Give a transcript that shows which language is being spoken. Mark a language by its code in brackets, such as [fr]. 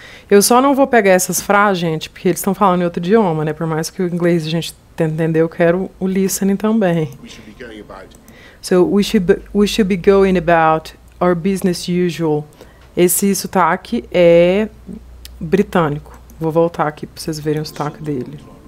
[pt] Eu só não vou pegar essas frases, gente, porque eles estão falando em outro idioma, né? Por mais que o inglês a gente entenda, eu quero o listening também. [en] So, we should be going about our business usual. [pt] Esse sotaque é britânico. Vou voltar aqui para vocês verem o sotaque dele.